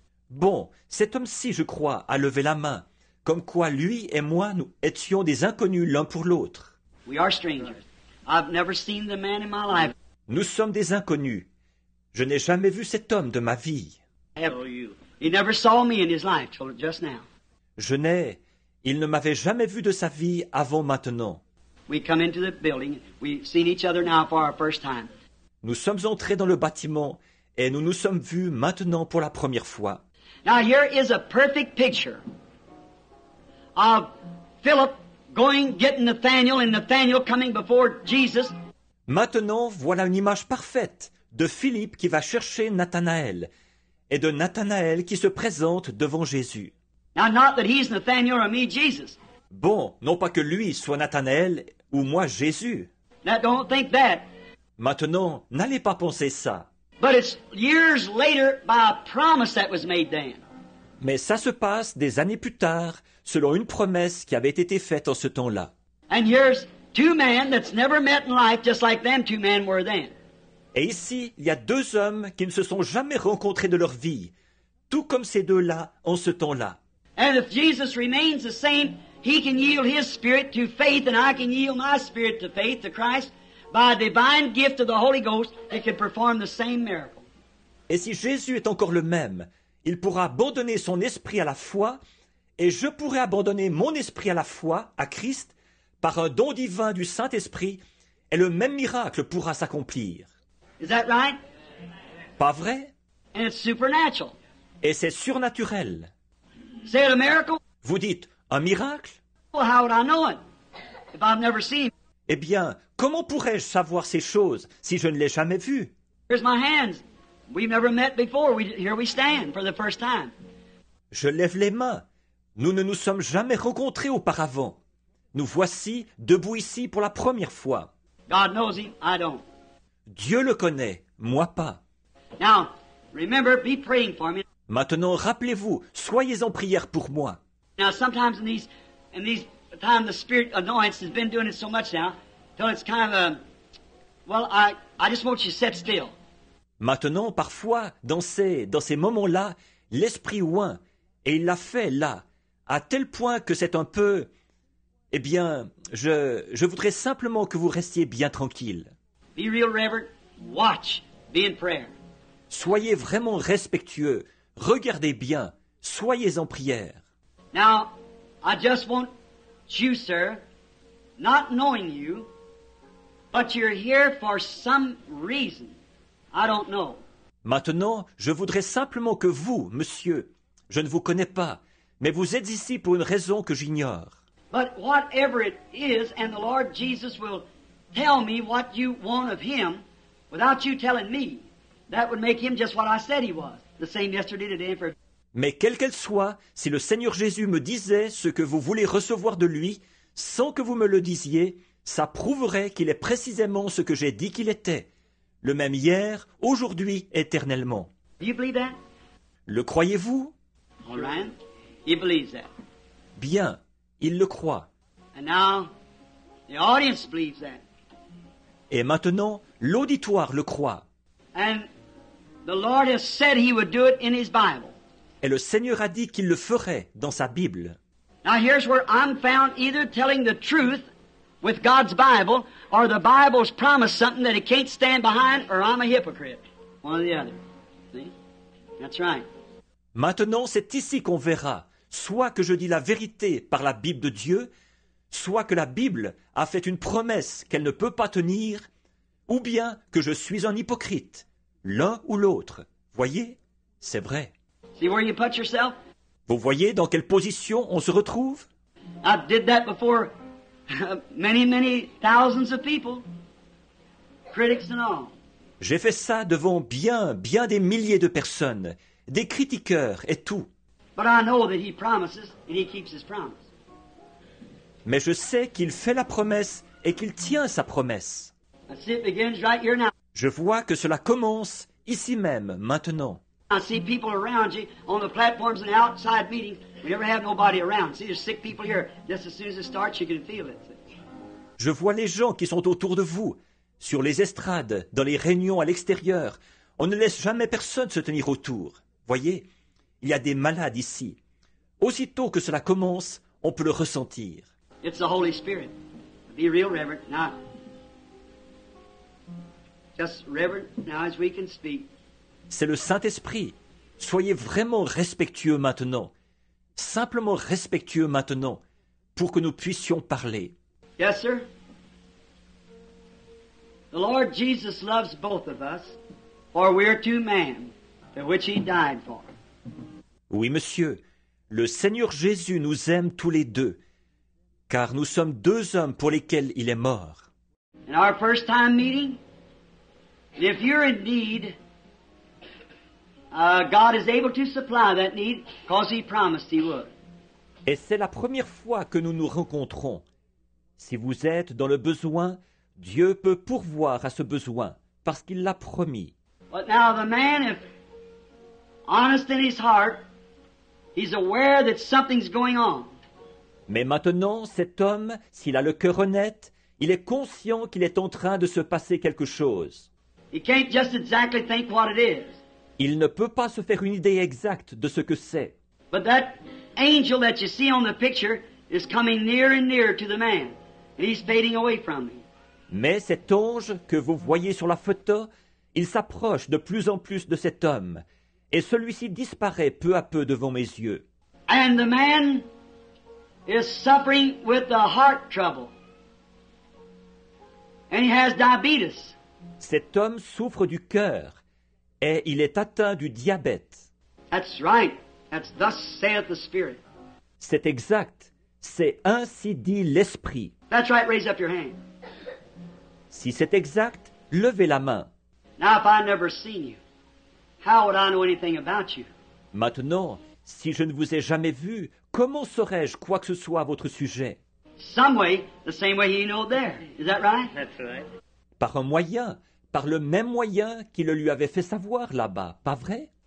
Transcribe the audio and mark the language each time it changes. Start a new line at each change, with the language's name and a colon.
French: Bon, cet homme-ci, je crois, a levé la main, comme quoi lui et moi, nous étions des inconnus l'un pour l'autre.
English: We are strangers. I've never seen the man in my life.
French: Nous sommes des inconnus. Je n'ai jamais vu cet homme de ma vie.
English: He never saw me in his life till just now.
French: Je n'ai, il ne m'avait jamais vu de sa vie avant maintenant.
English: We come into the building. We've seen each other now for our first time.
French: Nous sommes entrés dans le bâtiment et nous nous sommes vus maintenant pour la première fois.
English: Now here is a perfect picture of Philip going getting Nathaniel and Nathaniel coming before Jesus.
French: Maintenant, voilà une image parfaite de Philippe qui va chercher Nathanaël et de Nathanaël qui se présente devant Jésus.
English: Now, not that he's Nathaniel or me, Jesus.
French: Bon, non pas que lui soit Nathanaël ou moi, Jésus.
English: Now, don't think that.
French: Maintenant, n'allez pas penser ça.
English: But it's years later by a promise that was made then.
French: Mais ça se passe des années plus tard, selon une promesse qui avait été faite en ce temps-là.
English: And here's two men that's never met in life, just like them two men were then.
French: Et ici, il y a deux hommes qui ne se sont jamais rencontrés de leur vie, tout comme ces deux-là en ce temps-là.
English: And if Jesus remains the same, he can yield his spirit to faith and I can yield my spirit to faith to Christ by a divine gift of the Holy Ghost that can perform the same miracle.
French: Et si Jésus est encore le même, il pourra abandonner son esprit à la foi et je pourrai abandonner mon esprit à la foi à Christ par un don divin du Saint-Esprit, et le même miracle pourra s'accomplir.
English: Is that right?
French: Pas vrai?
English: And it's supernatural.
French: Et c'est surnaturel.
English: Say it, a miracle?
French: Vous dites, un miracle?
English: Well, how would I know it if I've never seen it?
French: Eh bien, comment pourrais-je savoir ces choses si je ne l'ai jamais vu?
English: Here's my hands. We've never met before. Here we stand for the first time.
French: Je lève les mains. Nous ne nous sommes jamais rencontrés auparavant. Nous voici debout ici pour la première fois.
English: God knows him, I don't.
French: Dieu le connaît, moi pas.
English: Now, remember, be praying for me.
French: Maintenant, rappelez-vous, soyez en prière pour moi.
English: Now, sometimes in these times, the spirit annoyance has been doing it so much now, till it's kind of a, well, I just want you to sit still.
French: Maintenant, parfois, dans ces moments-là, l'esprit oint, et il l'a fait là, à tel point que c'est un peu, eh bien, je voudrais simplement que vous restiez bien tranquille.
English: Be real reverent, watch, be in prayer.
French: Soyez vraiment respectueux, regardez bien, soyez en prière.
English: Now, I just want you, sir, not knowing you, but you're here for some reason. I don't know.
French: Maintenant, je voudrais simplement que vous, monsieur, je ne vous connais pas, mais vous êtes ici pour une raison que j'ignore.
English: But whatever it is, and the Lord Jesus will tell me what you want of him without you telling me, that would make him just what I said he was, the same yesterday, today, and forever.
French: Mais quelle qu'elle soit, si le Seigneur Jésus me disait ce que vous voulez recevoir de lui, sans que vous me le disiez, ça prouverait qu'il est précisément ce que j'ai dit qu'il était. Le même hier, aujourd'hui, éternellement.
English: You believe that?
French: Le croyez-vous?
English: All right. He believes that.
French: Bien, il le croit.
English: And now, the audience believes that.
French: Et maintenant, l'auditoire le croit.
English: And the Lord has said he would do it in his Bible.
French: Et le Seigneur a dit qu'il le ferait dans sa Bible.
English: Now here's where I'm found either telling the truth with God's Bible, or the Bible's promised something that it can't stand behind, or I'm a hypocrite. One or the other. See? That's right.
French: Maintenant, c'est ici qu'on verra soit que je dis la vérité par la Bible de Dieu, soit que la Bible a fait une promesse qu'elle ne peut pas tenir, ou bien que je suis un hypocrite, l'un ou l'autre. Voyez, c'est vrai.
English: See where you put yourself?
French: Vous voyez dans quelle position on se retrouve?
English: I did that before. Many, many thousands of people, critics and all.
French: J'ai fait ça devant bien, bien des milliers de personnes, des critiqueurs et tout.
English: But I know that he promises and he keeps his promise.
French: Mais je sais qu'il fait la promesse et qu'il tient sa promesse.
English: I see it begins right here now.
French: Je vois que cela commence ici même, maintenant.
English: I see people around you on the platforms and outside meetings. We never have nobody around. See, there's sick people here. Just as soon as it starts, you can feel it.
French: Je vois les gens qui sont autour de vous, sur les estrades, dans les réunions à l'extérieur. On ne laisse jamais personne se tenir autour. Voyez, il y a des malades ici. Aussitôt que cela commence, on peut le ressentir.
English: It's the Holy Spirit. Be real reverent now. Just reverent now as we can speak.
French: C'est le Saint-Esprit. Soyez vraiment respectueux maintenant. Simplement respectueux maintenant, pour que nous puissions parler.
English: Yes, sir. The Lord Jesus loves both of us, for we are two men, for which he died for.
French: Oui, monsieur. Le Seigneur Jésus nous aime tous les deux, car nous sommes deux hommes pour lesquels il est mort.
English: In our first time meeting, if you're in need, God is able to supply that need because he promised he would.
French: Et c'est la première fois que nous nous rencontrons. Si vous êtes dans le besoin, Dieu peut pourvoir à ce besoin parce qu'il l'a promis.
English: But now the man, if honest in his heart, he's aware that something's going on.
French: Mais maintenant, cet homme, s'il a le cœur honnête, il est conscient qu'il est en train de se passer quelque chose.
English: He can't just exactly think what it is.
French: Il ne peut pas se faire une idée exacte de ce que c'est.
English: But that angel that you see on the picture is coming nearer and nearer to the man, and he's fading away from me.
French: Mais cet ange que vous voyez sur la photo, il s'approche de plus en plus de cet homme, et celui-ci disparaît peu à peu devant mes yeux.
English: And the man is suffering with the heart trouble. And he has diabetes.
French: Cet homme souffre du cœur et il est atteint du diabète.
English: That's right. That's thus saith the Spirit.
French: C'est exact. C'est ainsi dit l'Esprit.
English: That's right. Raise up your hand.
French: Si c'est exact, levez la main.
English: Now, if I'd never seen you, how would I know anything about you?
French: Maintenant, si je ne vous ai jamais vu, comment saurais-je quoi que ce soit à votre sujet?
English: Some way, the same way he knew there. Is that right? That's right.
French: Par un moyen, par le même moyen qu'il le lui avait fait savoir là-bas, pas vrai?